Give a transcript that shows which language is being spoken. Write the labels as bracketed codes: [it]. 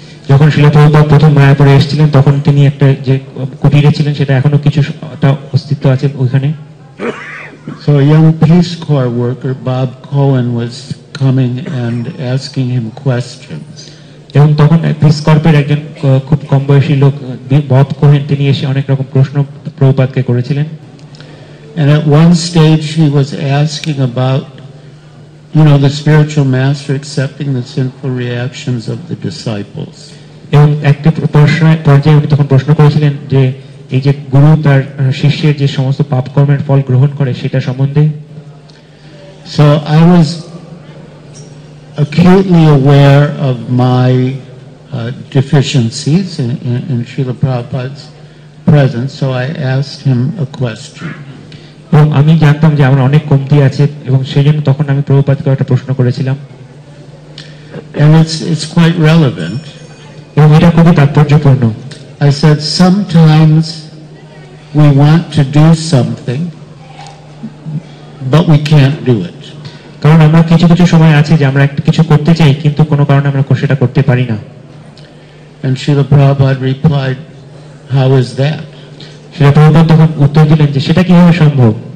[bn] যখন শ্রীলা প্রভুপাদ প্রথম মায়াপুরে এসেছিলেন তখন তিনি একটা যে কুটিরে ছিলেন সেটা এখনো কিছু অস্তিত্ব আছে ওইখানে। [en] So a young Peace Corps worker, Bob Cohen, was coming and asking him questions. [bn] এবং তখন পিস কর্পের একজন খুব কম বয়সী লোক বব কোহেন তিনি এসে অনেক রকম প্রশ্ন প্রভুপাদকে করেছিলেন। [en] And at one stage he was asking about, you know, the spiritual master accepting the sinful reactions of the disciples. [bn] এবং একটি প্রশ্ন পর্যায়ে উনি তখন প্রশ্ন করেছিলেন যে এই যে গুরু তার শিষ্যের যে সমস্ত পাপ কর্মের ফল গ্রহণ করে সেটা সম্বন্ধে। [en] So I was acutely aware of my deficiencies in Srila Prabhupada's presence, so I asked him a question. [bn] এবং আমি জানতাম যে আমার অনেক কমতি আছে এবং সেই জন্য তখন আমি প্রভুপাদকে একটা প্রশ্ন করেছিলাম। [en] And it's quite relevant. [bn] এবং এটা খুবই তাৎপর্যপূর্ণ। [en] I said, sometimes we want to do something, but we can't do it. [bn] কারণ আমরা কিছু কিছু সময় আছে যে আমরা একটা কিছু করতে চাই কিন্তু কোনো কারণে আমরা সেটা করতে পারি না। [en] And Srila Prabhupada replied, how is that? [bn] Srila Prabhupada তখন উত্তর দিলেন যে সেটা কিভাবে সম্ভব?